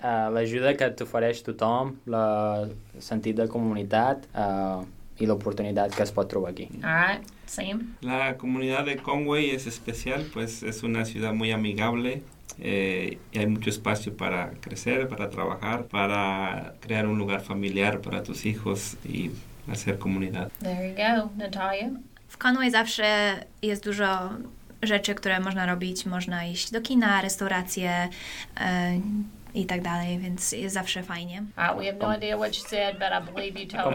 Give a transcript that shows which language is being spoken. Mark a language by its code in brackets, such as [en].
[ca] L'ajuda que t'ofereix tothom, el sentit de comunitat i l'oportunitat que es pot trobar aquí. [en] All right, same. [es] La comunidad de Conway es especial, pues es una ciudad muy amigable y hay mucho espacio para crecer, para trabajar, para crear un lugar familiar para tus hijos y hacer comunidad. [en] There you go, Natalia. [pl] W Conway zawsze jest dużo rzeczy, które można robić. Można iść do kina, restauracje, i tak dalej, więc jest zawsze fajnie. [en] We have no idea what you said, but I believe you totally.